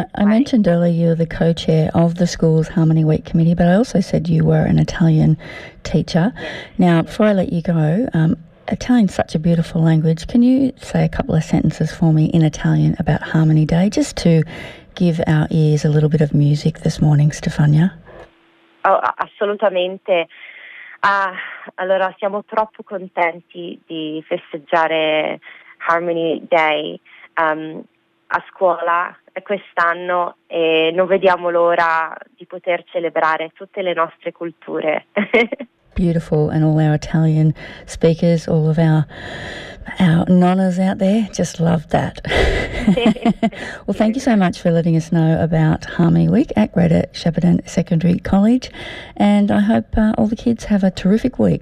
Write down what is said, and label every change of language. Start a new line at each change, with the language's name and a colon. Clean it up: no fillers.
English: now, I mentioned earlier you're the co-chair of the school's Harmony Week committee, but I also said you were an Italian teacher. Now, before I let you go, Italian's such a beautiful language. Can you say a couple of sentences for me in Italian about Harmony Day, just to give our ears a little bit of music this morning, Stefania?
Italian: Oh, assolutamente. Ah, allora, siamo troppo contenti di festeggiare Harmony Day a scuola quest'anno e non vediamo l'ora di poter celebrare tutte le nostre culture.
English: Beautiful, and all our Italian speakers, all of our nonnas out there, just love that. Well, thank you so much for letting us know about Harmony Week at Greater Shepparton Secondary College, and I hope all the kids have a terrific week.